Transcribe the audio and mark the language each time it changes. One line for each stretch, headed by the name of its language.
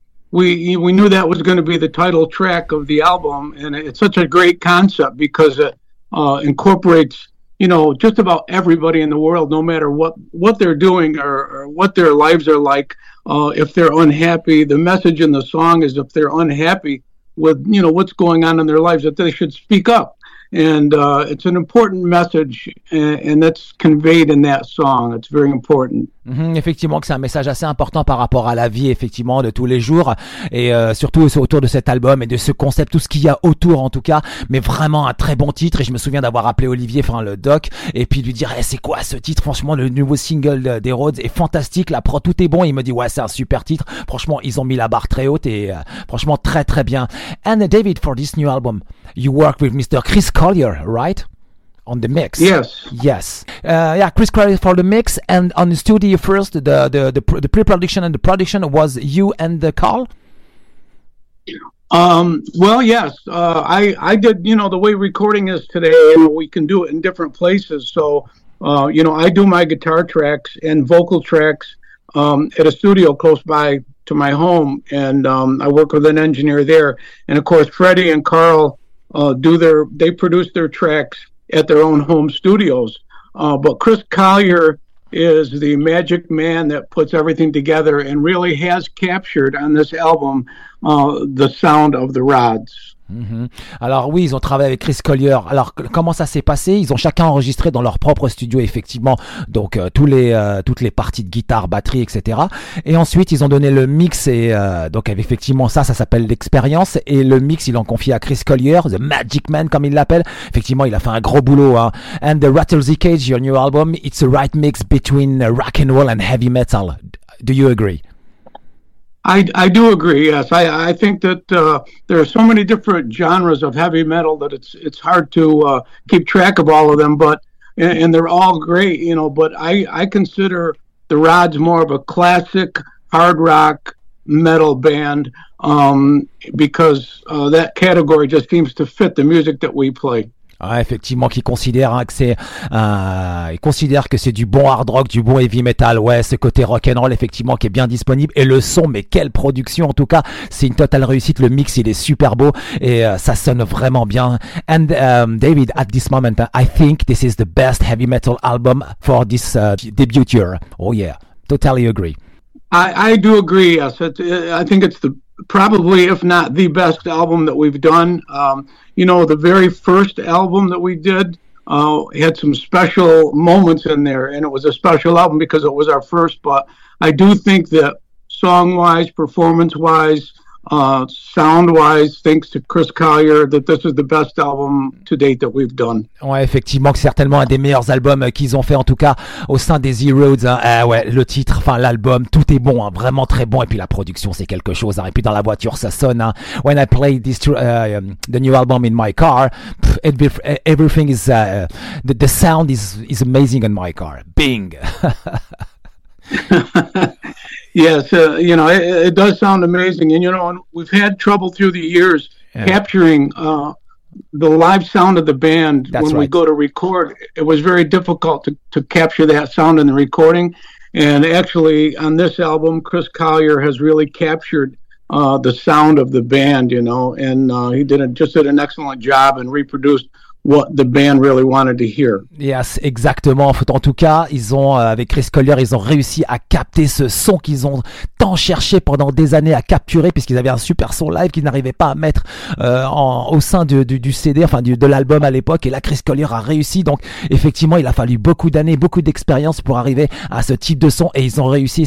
English: We knew that was going to be the title track of the album, and it's such a great concept because it incorporates, you know, just about everybody in the world, no matter what they're doing or what their lives are like. If they're unhappy, the message in the song is if they're unhappy with, you know, what's going on in their lives, that they should speak up. And it's an important message, and that's conveyed in that song. It's very important.
French: Effectivement que c'est un message assez important par rapport à la vie effectivement de tous les jours et surtout autour de cet album et de ce concept, tout ce qu'il y a autour en tout cas, mais vraiment un très bon titre. Et je me souviens d'avoir appelé Olivier, enfin le Doc, et puis lui dire hey, c'est quoi ce titre, franchement le nouveau single des Rhodes est fantastique, la pro tout est bon. Et il me dit ouais, c'est un super titre, franchement ils ont mis la barre très haute et franchement très très bien.
English: And David, for this new album you work with Mr. Chris Collier, right? On the mix. Yes. Yeah, Chris Collier for the mix. And on the studio first, the pre-production and the production was you and the Carl? Well, yes. I did, you know, the way recording is today, you know, we can do it in different places. So, you know, I do my guitar tracks and vocal tracks at a studio close by to my home. And I work with an engineer there. And, of course, Freddie and Carl they produce their tracks at their own home studios. But Chris Collier is the magic man that puts everything together and really has captured on this album the sound of the Rhodes. Mm-hmm.
French: Alors oui, ils ont travaillé avec Chris Collier. Alors comment ça s'est passé? Ils ont chacun enregistré dans leur propre studio effectivement, donc toutes les parties de guitare, batterie, etc. Et ensuite ils ont donné le mix et donc effectivement ça s'appelle l'expérience. Et le mix ils l'ont confié à Chris Collier, the Magic Man comme il l'appelle. Effectivement il a fait un gros boulot. Hein.
English: And the Rattle the Cage, your new album, it's a right mix between rock and roll and heavy metal. Do you agree? I do agree, yes. I think that there are so many different genres of heavy metal that it's hard to keep track of all of them, but and they're all great, you know, but I consider the Rhodes more of a classic hard rock metal band because that category just seems to fit the music that we play.
French: Ah, effectivement, qui considère hein, que c'est, il considère que c'est du bon hard rock, du bon heavy metal. Ouais, ce côté rock and roll, effectivement, qui est bien disponible. Et le son, mais quelle production, en tout cas. C'est une totale réussite. Le mix, il est super beau. Et, ça sonne vraiment bien.
English: And, David, at this moment, I think this is the best heavy metal album for this, debut year. Oh yeah. Totally agree. I do agree. Yes. I think it's the, probably, if not the best album that we've done. You know, the very first album that we did had some special moments in there, and it was a special album because it was our first. But I do think that song-wise, performance-wise, sound-wise, thanks to Chris Collier, that this is the best album to date that we've done.
French: Ouais, effectivement, que certainement un des meilleurs albums qu'ils ont fait, en tout cas, au sein des Z-Roads. Hein. Ouais, le titre, enfin l'album, tout est bon, hein, vraiment très bon. Et puis la production, c'est quelque chose. Hein. Et puis dans la voiture, ça sonne. Hein.
English: When I play this the new album in my car, everything is the sound is amazing in my car. Bing. Yes, you know, it does sound amazing. And, you know, we've had trouble through the years capturing the live sound of the band. That's when right. We go to record. It was very difficult to capture that sound in the recording. And actually, on this album, Chris Collier has really captured the sound of the band, you know, and he did an excellent job and reproduced what the band really wanted to hear. Yes,
French: exactement. En tout cas, ils ont, avec Chris Collier, ils ont réussi à capter ce son qu'ils ont tant cherché pendant des années à capturer, puisqu'ils avaient un super son live qu'ils n'arrivaient pas à mettre au sein du CD, enfin de l'album à l'époque. Et là, Chris Collier a réussi. Donc, effectivement, il a fallu beaucoup d'années, beaucoup d'expérience pour arriver à ce type de son. Et ils ont réussi.